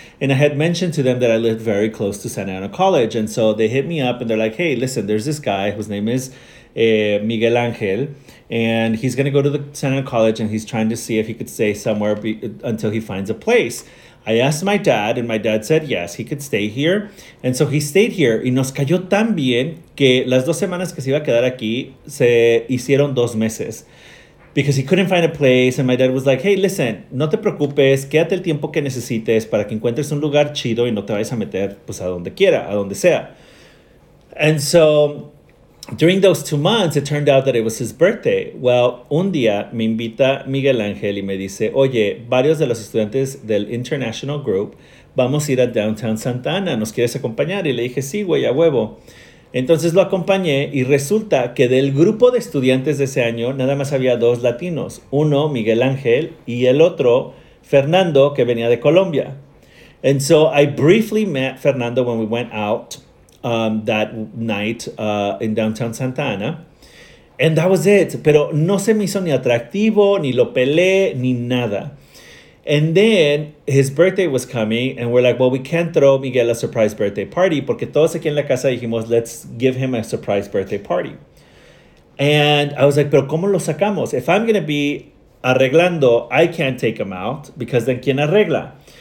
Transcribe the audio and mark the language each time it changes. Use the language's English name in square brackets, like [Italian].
[English] And I had mentioned to them that I lived very close to Santa Ana College. And so they hit me up and they're like, hey, listen, there's this guy whose name is Miguel Angel. And he's going to go to the Santa Ana College and he's trying to see if he could stay somewhere until he finds a place. I asked my dad and my dad said, yes, he could stay here. And so he stayed here. [Spanish] Y nos cayó tan bien que las dos semanas que se iba a quedar aquí se hicieron dos meses. [English] Because he couldn't find a place, and my dad was like, hey, listen, [Spanish] no te preocupes, quédate el tiempo que necesites para que encuentres un lugar chido y no te vayas a meter pues a donde quiera, a donde sea. [English] And so during those 2 months, it turned out that it was his birthday. Well, [Spanish] un día me invita Miguel Ángel y me dice, oye, varios de los estudiantes del International Group, vamos a ir a Downtown Santa Ana, ¿nos quieres acompañar? Y le dije, sí, güey, a huevo. Entonces lo acompañé y resulta que del grupo de estudiantes de ese año nada más había dos latinos. Uno, Miguel Ángel, y el otro, Fernando, que venía de Colombia. [English] And so I briefly met Fernando when we went out that night in downtown Santa Ana. And that was it. [Spanish] Pero no se me hizo ni atractivo, ni lo pelé, ni nada. [English] And then his birthday was coming and we're like, well, we can't throw Miguel a surprise birthday party [Spanish] porque todos aquí en la casa dijimos, [English] let's give him a surprise birthday party. And I was like, [Spanish] pero ¿cómo lo sacamos? [English] If I'm going to be arreglando, I can't take him out because then [Spanish] ¿quién arregla?